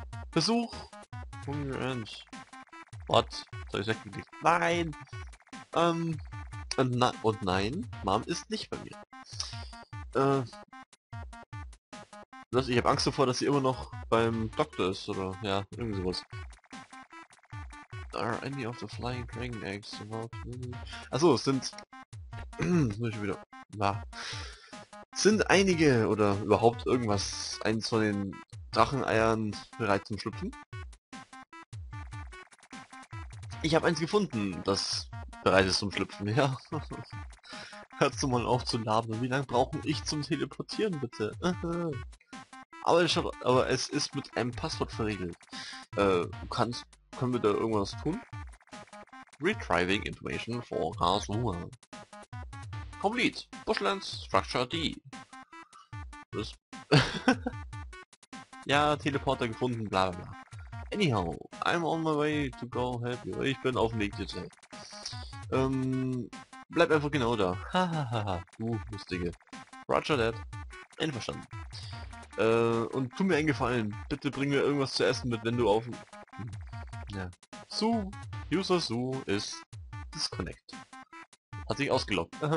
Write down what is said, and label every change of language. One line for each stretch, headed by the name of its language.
German: Besuch. Und was? Soll ich weggehen? Nein. Und nein, Mom ist nicht bei mir. Ich habe Angst davor, dass sie immer noch beim Doktor ist oder ja, irgend sowas.
English: Are any of the flying dragon eggs about me?
German: Achso, es sind. Muss ich wieder. Ja. Sind einige oder überhaupt irgendwas eins von den Dracheneiern bereit zum Schlüpfen? Ich habe eins gefunden, das bereit ist zum Schlüpfen, ja. Hörst du mal auf zu labern? Wie lange brauche ich zum Teleportieren, bitte? Aber es ist mit einem Passwort verriegelt. Können wir da irgendwas tun?
English: Retrieving information for Kazuma. Complete.
German: Bushlands Structure D. Das ja, Teleporter gefunden, bla bla bla.
English: Anyhow, I'm on my way to go help you.
German: Ich bin auf dem Weg jetzt. Bleib einfach genau da. Hahaha, du lustige.
English: Roger that.
German: Einverstanden. Und tu mir einen Gefallen. Bitte bring mir irgendwas zu essen mit, wenn du auf. Ja. Su, User Su ist disconnect. Hat sich ausgeloggt.